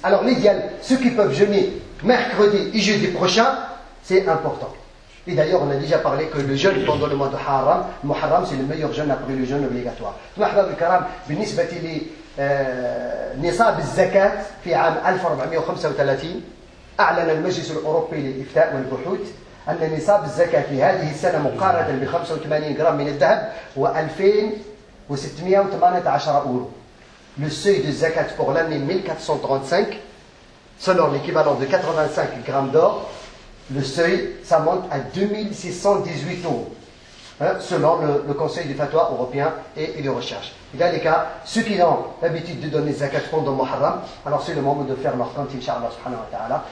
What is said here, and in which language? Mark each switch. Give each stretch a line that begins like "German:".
French: Alors l'idéal, ceux qui peuvent jeûner mercredi et jeudi prochain, c'est important. Et d'ailleurs, on a déjà parlé que le jeûne pendant le mois de Haram, Muharram, c'est le meilleur jeûne après le jeûne obligatoire.
Arabic: Donc, Ahbab al-Karam, بالنسبه لي نصاب الزكاه في عام 1435 اعلن المجلس الاوروبي للافتاء والبحوث ان نصاب الزكاه في هذه السنه مقارنه ب 85 غرام من الذهب هو 2618 اورو.
French: Le seuil de zakat pour l'année 1435 selon l'équivalent de 85 grammes d'or. Le seuil, ça monte à 2618 euros, hein, selon le Conseil du Fatwa européen et de recherche. Et dans les cas, ceux qui ont l'habitude de donner zakat pendant Muharram, alors c'est le moment de faire leur compte, Inch'Allah,
Arabic: subhanahu wa ta'ala.